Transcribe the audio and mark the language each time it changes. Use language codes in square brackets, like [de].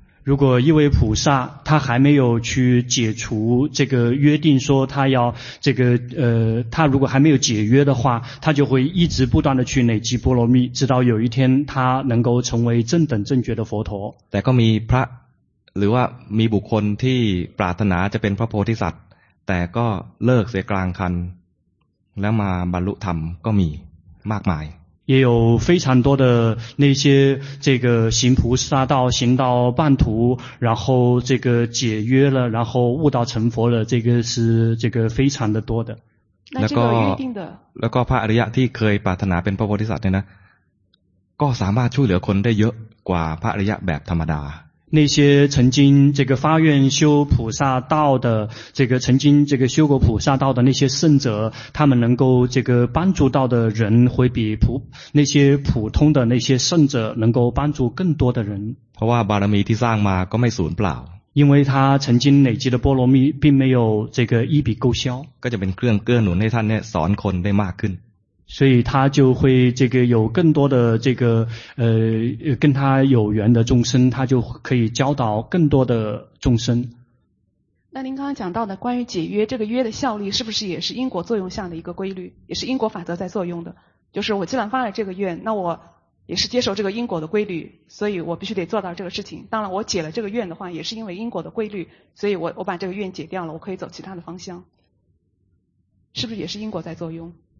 [zh] 如果一位菩萨他还没有去解除这个约定说他要这个他如果还没有解约的话他就会一直不断的去累积波罗蜜直到有一天他能够成为正等正觉的佛陀 [th] แต่ก็มีพระหรือว่ามีบุคคลที่ปรารถนาจะเป็นพระโพธิสัตว์แต่ก็เลิกเสียกลางคันแล้วมาบรรลุธรรมก็มี มากมาย [zh] 也有非常多的那些这个行菩萨道行到半途然后这个解约了然后悟道成佛了这个是这个非常的多的那这个预定的 [th] แล้วก็พระอริยะที่เคยปรารถนาเป็นพระโพธิสัตว์เนี่ยนะก็สามารถช่วยเหลือคนได้เยอะกว่าพระอริยะแบบธรรมดา [zh] 那些曾经这个发愿修菩萨道的这个曾经这个修过菩萨道的那些圣者他们能够这个帮助到的人会比普那些普通的那些圣者能够帮助更多的人 [th] เพราะว่าบารมีที่สร้างมาก็ไม่สูญเปล่า [zh] 因为他曾经累积的波罗蜜并没有这个一笔勾销 [th] ก็จะเป็นเครื่องเกื้อหนุนให้ท่านเนี่ยสอนคนได้มากขึ้น [zh] 所以他就会这个有更多的这个跟他有缘的众生他就可以教导更多的众生那您刚刚讲到的关于解约这个约的效力是不是也是因果作用下的一个规律也是因果法则在作用的就是我既然发了这个愿那我也是接受这个因果的规律所以我必须得做到这个事情当然我解了这个愿的话也是因为因果的规律所以我把这个愿解掉了我可以走其他的方向是不是也是因果在作用